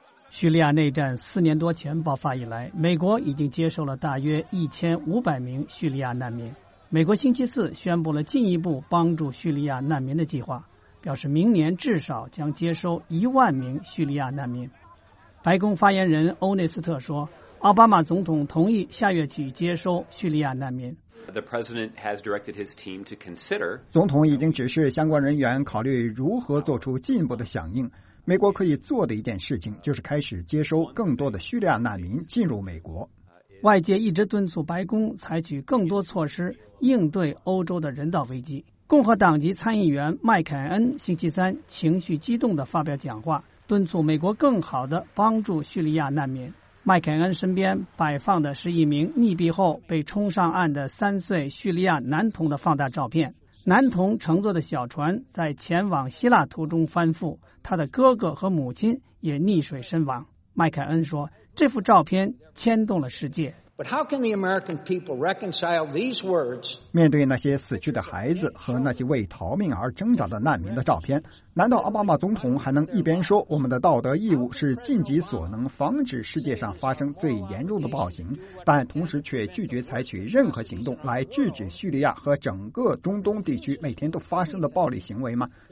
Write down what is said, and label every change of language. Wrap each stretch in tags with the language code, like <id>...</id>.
<zh>叙利亚内战4年多前爆发以来，美国已经接收了大约1500名叙利亚难民。美国星期四宣布了进一步帮助叙利亚难民的计划，表示明年至少将接收10000名叙利亚难民。白宫发言人欧内斯特说，奥巴马总统同意下月起接收叙利亚难民。</zh> <en>The president has directed his team to consider.</en> <zh>总统已经指示相关人员考虑如何做出进一步的响应。美国可以做的一件事情就是开始接收更多的叙利亚难民进入美国。外界一直敦促白宫采取更多措施应对欧洲的人道危机。共和党籍参议员麦凯恩星期三情绪激动地发表讲话，敦促美国更好地帮助叙利亚难民。麦凯恩身边摆放的是一名溺毙后被冲上岸的3岁叙利亚男童的放大照片。男童乘坐的小船在前往希腊途中翻覆，他的哥哥和母亲也溺水身亡。麦凯恩说，这幅照片牵动了世界。</zh> <en>But how can the American people reconcile these words?</en> <zh>面对那些死去的孩子和那些为逃命而挣扎的难民的照片，难道奥巴马总统还能一边说我们的道德义务是尽己所能防止世界上发生最严重的暴行，但同时却拒绝采取任何行动来制止叙利亚和整个中东地区每天都发生的暴力行为吗？</zh>